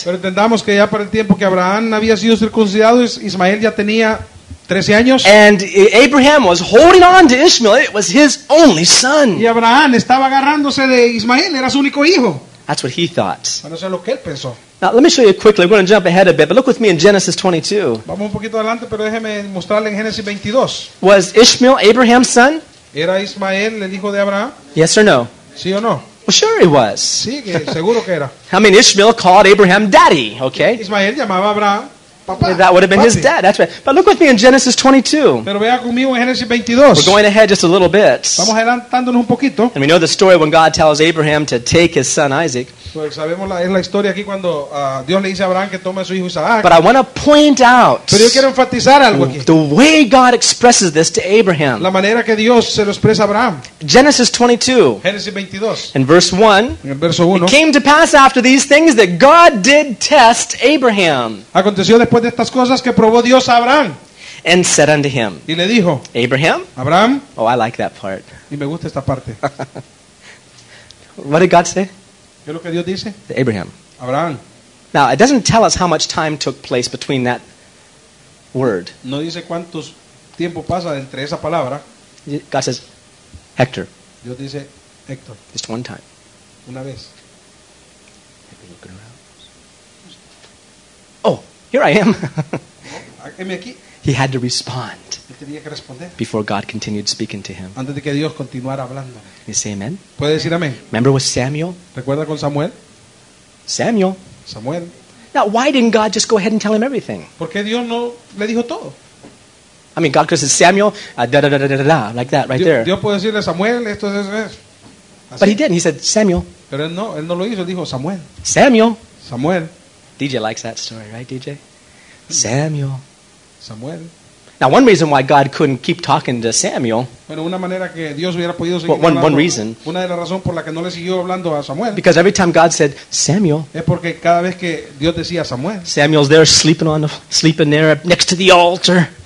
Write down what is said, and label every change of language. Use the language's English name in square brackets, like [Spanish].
[Spanish] Pero entendamos que ya para el tiempo que Abraham había sido circuncidado, Ismael ya tenía 13 años. [English] And Abraham was holding on to Ishmael. It was his only son. [Spanish] Y Abraham estaba agarrándose de Ismael. Era su único hijo. [English] That's what he thought. [Spanish] Bueno, eso es lo que él pensó. [English] Now, let me show you quickly. We're going to jump ahead a bit. But look with me in Genesis 22. [Spanish] Vamos un poquito adelante, pero déjeme mostrarle en Génesis 22. [English] Was Ishmael Abraham's son? [Spanish] ¿Era Ismael el hijo de Abraham? [English] Yes or no? [Spanish] ¿Sí o no? [English] Well, sure he was. [Spanish] Sí, que seguro que era. [English] I mean, Ishmael called Abraham daddy, okay? [Spanish] Ismael llamaba a Abraham. [English] That would have been his dad. That's right. But look with me in Genesis 22. [Spanish] Pero vea conmigo en Génesis 22. [English] We're going ahead just a little bit. [Spanish] Vamos adelantándonos un poquito. [English] And we know the story when God tells Abraham to take his son Isaac. [Spanish] Pues sabemos es la historia aquí cuando Dios le dice a Abraham que tome a su hijo Isaac. [English] But I want to point out. [Spanish] Pero yo quiero enfatizar algo aquí. [English] The way God expresses this to Abraham. [Spanish] La manera que Dios se lo expresa a Abraham. [English] Genesis 22. [Spanish] Génesis 22. [English] In verse 1. [Spanish] En el verso 1. [English] It came to pass after these things that God did test Abraham. [Spanish] Aconteció después de estas cosas que probó Dios a Abraham. [English] And said unto him, [Spanish] y le dijo, [English] Abraham, [Spanish] Abraham, [English] oh, I like that part. [Spanish] Y me gusta esta parte. [English] What did God say? [Spanish] ¿Qué es lo que Dios dice? [English] Abraham. [Spanish] Abraham. [English] Now, it doesn't tell us how much time took place between that word. [Spanish] No dice cuánto tiempo pasa entre esa palabra. [English] God says, Hector. [Spanish] Dios dice, Hector. [English] Just one time. [Spanish] Una vez. [English] Here I am. [Spanish] Aquí. [English] He had to respond [Spanish] tenía que responder [English] before God continued speaking to him. [Spanish] Antes de que Dios continuara hablando. [English] You say amen? [Spanish] ¿Puede decir amén? [English] Remember with Samuel? [Spanish] ¿Recuerda con Samuel? [English] Samuel. [Spanish] Samuel. [English] Now, why didn't God just go ahead and tell him everything? [Spanish] ¿Por qué Dios no le dijo todo? [English] I mean, God could say, Samuel, da-da-da-da-da-da, like that, right there. [Spanish] Dios puede decirle, Samuel, esto es, es. [English] But he didn't. He said, Samuel. [Spanish] Pero él no lo hizo. Dijo, Samuel. [English] Samuel. [Spanish] Samuel. [English] DJ likes that story, right, DJ? Samuel. [Spanish] Samuel. [English] Now, one reason why God couldn't keep talking to Samuel. [Spanish] Bueno, una manera que Dios hubiera podido seguir hablando. [English] One reason. [Spanish] Una de las razones por la que no le siguió hablando a Samuel. [English] Because every time God said Samuel. [Spanish] Es porque cada vez que Dios decía Samuel. [English] Samuel's there sleeping there next to the altar.